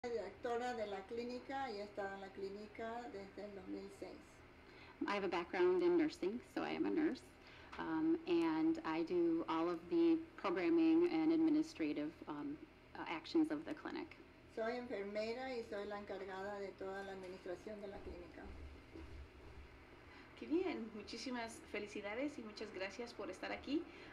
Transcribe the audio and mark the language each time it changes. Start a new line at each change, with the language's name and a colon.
Spanish: directora de la clínica y he estado en la clínica desde el 2006.
English: I have a background in nursing, so I am a nurse, and I do all of the programming and administrative actions of the clinic.
Spanish: Soy enfermera y soy la encargada de toda la administración de la clínica. Qué bien, muchísimas felicidades y muchas gracias por estar aquí.